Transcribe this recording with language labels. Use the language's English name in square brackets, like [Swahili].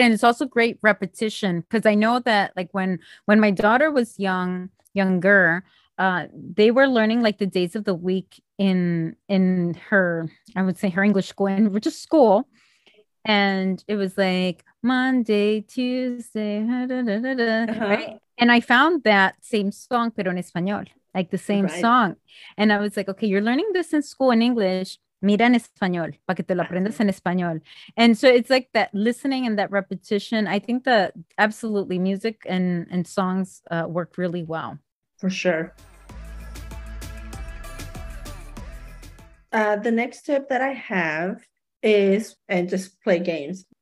[English] And it's also great repetition, because I know that like when my daughter was younger, they were learning like the days of the week in her, I would say her English school, and which is school. And it was like Monday, Tuesday. Right? And I found that same song, pero en español, like the same song. And I was like, OK, you're learning this in school in English. [Spanish] Mira en español, para que te lo aprendas en español. [English] And so it's like that listening and that repetition. I think that absolutely music and songs work really well. For sure. The next tip that I have is, and just play games.